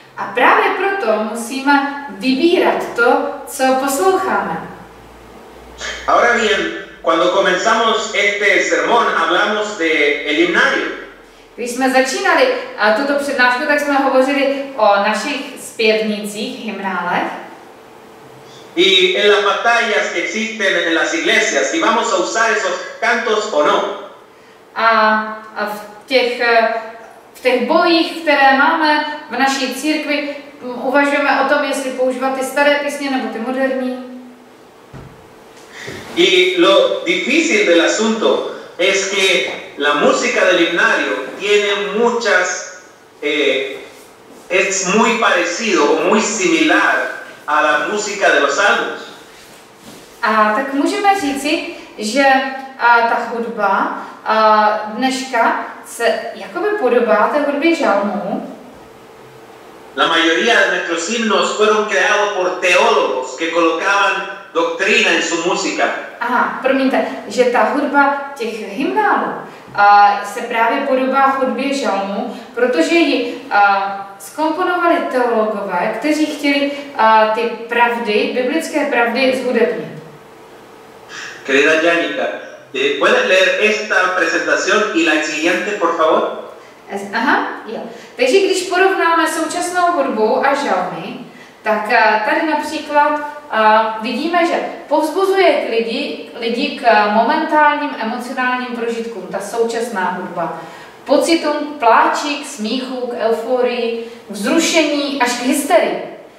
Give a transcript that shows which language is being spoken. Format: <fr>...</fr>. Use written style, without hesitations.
<cs>A právě proto musíme vybírat to, co posloucháme.</cs> <es>Ahora bien, cuando comenzamos este sermón, hablamos de el himnario.</es> <cs>Když jsme začínali tuto přednášku, tak jsme hovořili o našich zpěvnicích, hymnálech.</cs> <es>Y en las batallas que existen en las iglesias, si vamos a usar esos cantos o no.</es> <cs>A v těch bojích, které máme v naší církvi, uvažujeme o tom, jestli používat ty staré písně nebo ty moderní.</cs> <es>Y lo difícil del asunto es que la música del himnario tiene muchas es muy parecido o muy similar a la música de los salmos.</es> <cs>A tak můžeme říci, že ta hudba dneška se jakoby podobá té hudbě žalmů.</cs> <es>La mayoría de nuestros himnos fueron creados por teólogos que colocaban doctrina en su música.</es> <cs>Aha, promiňte, že ta hudba těch hymnálů se právě podobá hudbě žalmů, protože ji zkomponovali teologové, kteří chtěli ty pravdy, biblické pravdy zhudebnit.</cs> <es>Querida Janica, ¿puedes leer esta presentación y la siguiente, por favor?</es> <cs>Aha, jo. Takže když porovnáme současnou hudbu a žalmy, tak tady například vidíme, že povzbuzuje lidi k momentálním emocionálním prožitkům, ta současná hudba. Pocitům k pláči, k smíchu, k euforii, k vzrušení až k hysterii.</cs>